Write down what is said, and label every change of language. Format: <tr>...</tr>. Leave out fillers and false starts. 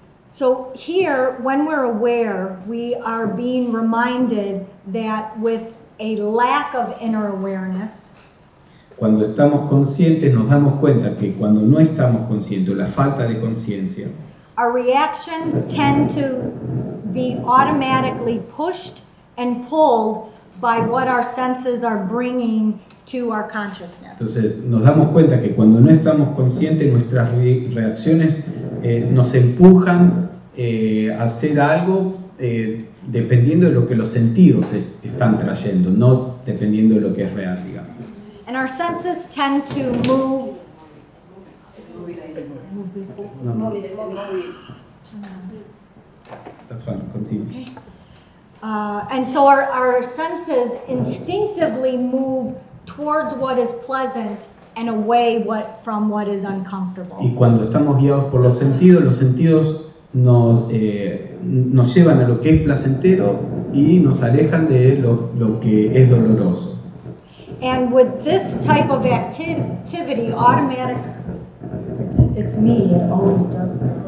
<en>So here, when we're aware, we are being reminded that with a lack of inner awareness,</en> <es>cuando estamos conscientes, nos damos cuenta que cuando no estamos conscientes, la falta de conciencia,</es> <en>our reactions tend to be automatically pushed and pulled by what our senses are bringing to our consciousness.</en> <es>Entonces, nos damos cuenta que cuando no estamos conscientes, nuestras reacciones nos empujan a hacer algo dependiendo de lo que los sentidos están trayendo, no dependiendo de lo que es real, digamos.</es> <en>And our senses tend to move. That's fine. Continue. Okay. And so our senses instinctively move towards what is pleasant and away from what is uncomfortable.</en> <es>Y cuando estamos guiados por los sentidos nos llevan a lo que es placentero y nos alejan de lo que es doloroso.</es> <en>And with this type of activity, automatic, it's me, it always does.</en>